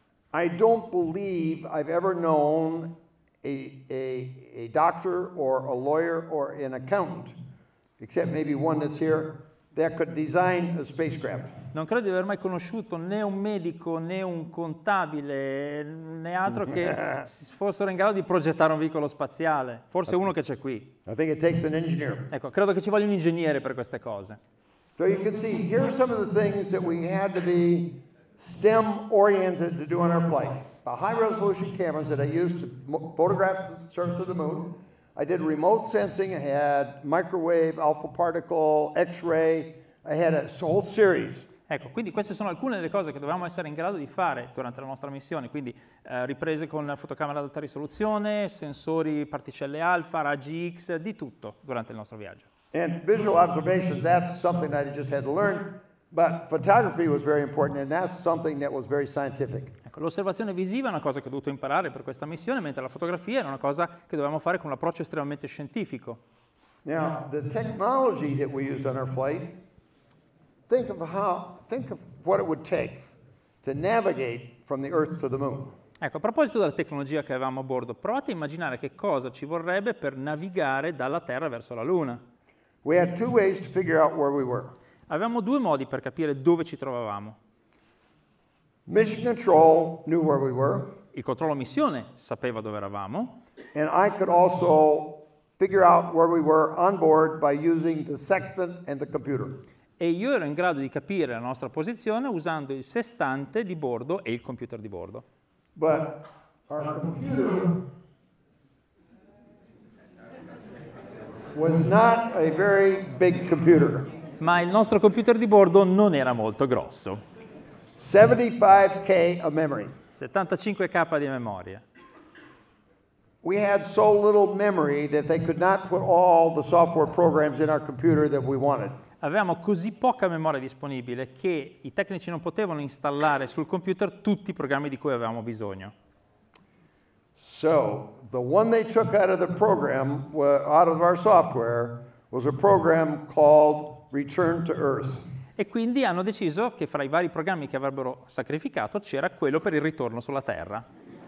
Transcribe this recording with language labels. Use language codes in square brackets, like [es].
[en] I don't believe I've ever known a doctor or a lawyer or an accountant, except maybe one that's here, that could design a spacecraft. [it] Non credo di aver mai conosciuto né un medico né un contabile né altro che fossero in grado di progettare un veicolo spaziale. Forse uno che c'è qui. [en] I think it takes an engineer. [it] Ecco, credo che ci voglia un ingegnere per queste cose. [en] So you can see, here are some of the things that we had to be STEM oriented to do on our flight. The high resolution cameras that I used to photograph the surface of the moon. I did remote sensing, I had microwave, alpha particle, X-ray, I had a whole series. [it] Ecco, quindi queste sono alcune delle cose che dovevamo essere in grado di fare durante la nostra missione, quindi riprese con fotocamera ad alta risoluzione, sensori particelle alfa, raggi X, di tutto durante il nostro viaggio. [en] And visual observations, that's something that I just had to learn. But photography was very important, and that's something that was very scientific. [it] Ecco, l'osservazione visiva è una cosa che ho dovuto imparare per questa missione, mentre la fotografia era una cosa che dovevamo fare con un approccio estremamente scientifico. [en] Now, the technology that we used on our flight, think of what it would take to navigate from the Earth to the Moon. [it] Ecco, a proposito della tecnologia che avevamo a bordo, provate a immaginare che cosa ci vorrebbe per navigare dalla Terra verso la Luna. [en] We had 2 ways to figure out where we were. [it] Avevamo 2 modi per capire dove ci trovavamo. [en] Mission control knew where we were. [it] Il controllo missione sapeva dove eravamo. [en] And I could also figure out where we were on board by using the sextant and the computer. [it] E io ero in grado di capire la nostra posizione usando il sestante di bordo e il computer di bordo. [en] But our computer was not a very big computer. [it] Ma il nostro computer di bordo non era molto grosso. [en] 75K of memory. [it] 75K di memoria. [en] We had so little memory that they could not put all the software programs in our computer that we wanted. [it] Avevamo così poca memoria disponibile che i tecnici non potevano installare sul computer tutti i programmi di cui avevamo bisogno. [en] So, the one they took out of the program, out of our software, was a program called Return to Earth. [it] E quindi hanno deciso che fra i vari programmi che avrebbero sacrificato c'era quello per il ritorno sulla Terra.